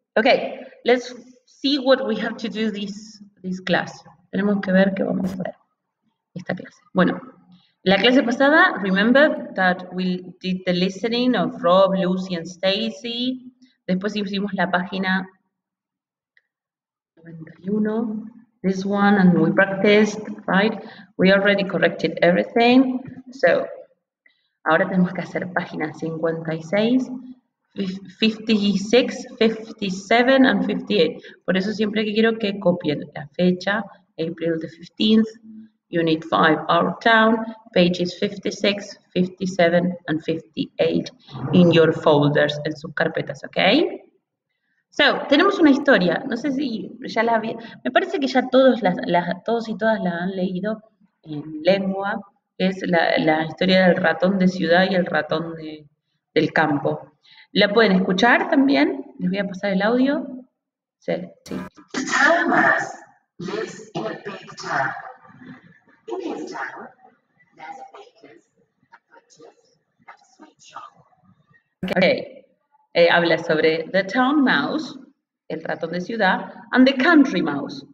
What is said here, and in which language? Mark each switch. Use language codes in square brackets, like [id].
[en] Okay, let's see what we have to do this class. [es] Tenemos que ver qué vamos a hacer esta clase. Bueno, la clase pasada, [en] remember that we did the listening of Rob, Lucy and Stacy. [es] Después hicimos la página 91. [en] This one and we practiced, right? We already corrected everything. [es] So, ahora tenemos que hacer página 56, 56, 57 and 58. Por eso siempre que quiero que copien la fecha, [en] April the 15th, Unit 5, Our Town, pages 56, 57 and 58 in your folders, [es] en sus carpetas, [en] ¿ok? [es] So, tenemos una historia. No sé si ya la vi. Me parece que ya todos, todos y todas la han leído en lengua. Es la historia del ratón de ciudad y el ratón del campo. ¿La pueden escuchar también? Les voy a pasar el audio. Sí. [en] The town mouse lives in a big town. In his town, there's a baker's, a butcher's, and a sweet shop. Okay. [es] Habla sobre [en] the town mouse, [es] el ratón de ciudad, [en] and the country mouse.